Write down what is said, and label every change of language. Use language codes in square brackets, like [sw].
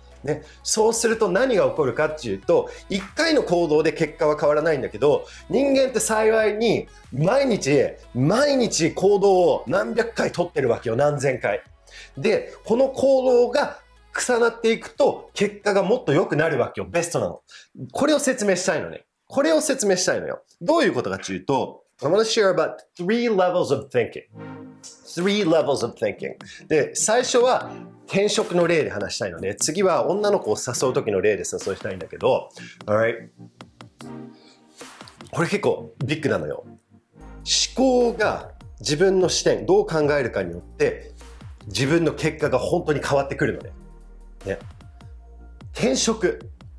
[ja] ね、そうすると何が起こるかっていうと、1回の行動で結果は変わらないんだけど、人間って幸いに毎日毎日行動を何百回取ってるわけよ、何千回で。この行動が重なっていくと結果がもっと良くなるわけよ、ベストなの。これを説明したいのね、これを説明したいのよ。どういうことかっていうと、 [en] I'm going to share about three levels of thinking. Three levels of thinking. [ja] で、最初は転職の例で話したいので、次は女の子を誘う時の例で誘いたいんだけど、 [en] All right. [ja] これ結構ビッグなのよ。思考が自分の視点、どう考えるかによって、自分の結果が本当に変わってくるのね。ね。転職。